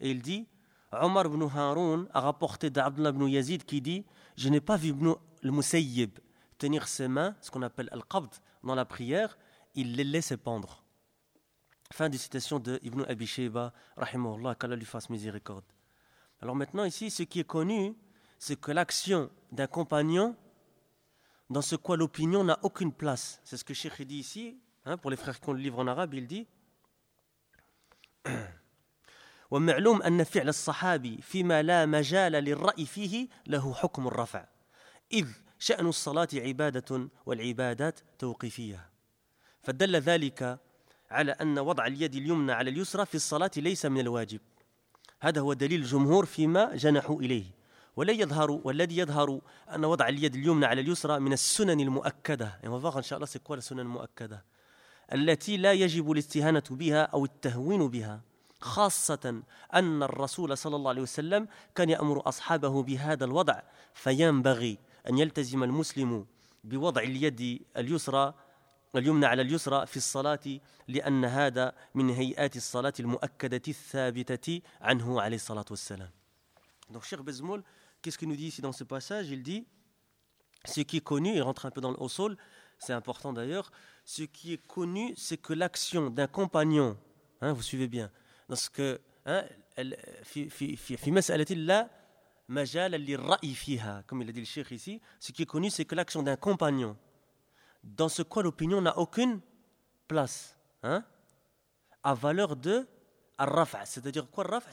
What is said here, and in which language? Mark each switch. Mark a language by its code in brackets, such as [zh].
[fr] Et il dit Omar ibn Haroun a rapporté d'Abdullah ibn Yazid, qui dit je n'ai pas vu Ibn al-Musayyib tenir ses mains, ce qu'on appelle Al-Qabd, dans la prière. Il les laissait pendre. Fin de citation de Ibn Abi Shayba, rahimahullah, qu'Allah lui fasse miséricorde. Alors maintenant ici, ce qui est connu, c'est que l'action d'un compagnon, dans ce quoi l'opinion n'a aucune place. C'est ce que Cheikh dit ici, hein, pour les frères qui ont le livre en arabe, il dit [ar] « وَمَعْلُومْ أَنَّ فِعْلَ الصَّحَابِ فِي مَا لَا مَجَالَ لِلْرَأِي فِيهِ لَهُ حُكْمُ الرَّفْعَ إِذْ شَأْنُ الصَّلَاةِ عِبَادَةٌ وَالْعِبَادَاتِ تَوْقِفِيهَا فدل ذلك على أن وضع اليد اليمنى على اليسرى في الصلاة ليس من الواجب هذا هو دليل الجمهور فيما جنحوا إليه ولا يظهر والذي يظهر أن وضع اليد اليمنى على اليسرى من السنن المؤكدة إن شاء الله سيكون السنن المؤكدة التي لا يجب الاستهانة بها أو التهوين بها خاصة أن الرسول صلى الله عليه وسلم كان يأمر أصحابه بهذا الوضع فينبغي أن يلتزم المسلم بوضع اليد اليسرى اليمنى على اليسرى في الصلاة لأن هذا من هيئات الصلاة المؤكدة الثابتة عنه عليه الصلاة والسلام. [fr] Donc Cheikh Bazoum, qu'est-ce qu'il nous dit ici dans ce passage? Il dit, ce qui est connu, il rentre un peu dans le usul, c'est important d'ailleurs, ce qui est connu, c'est que l'action d'un compagnon, hein, vous suivez bien, dans ce que, hein, [ar] في مسألة لا مجال للرأي فيها, [fr] comme il a dit le Cheikh ici, ce qui est connu, c'est que l'action d'un compagnon, dans ce quoi l'opinion n'a aucune place, hein, à valeur de al-raf'a. C'est-à-dire quoi al-raf'a ?